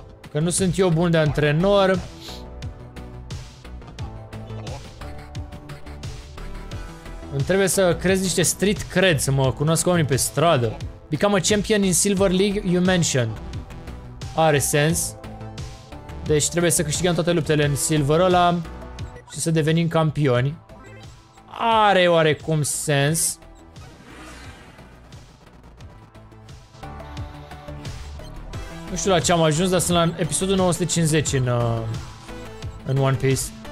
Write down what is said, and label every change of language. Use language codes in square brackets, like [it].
[ro] că nu sunt eu bun de antrenor. Îmi trebuie să crezi niște street cred, să mă cunosc oamenii pe stradă. [en] Become a champion in Silver League, you mentioned. [ro] Are sens. Deci trebuie să câștigăm toate luptele în Silver ăla și să devenim campioni. Are oarecum sens. Nu știu la ce am ajuns, dar sunt la episodul 950 în One Piece.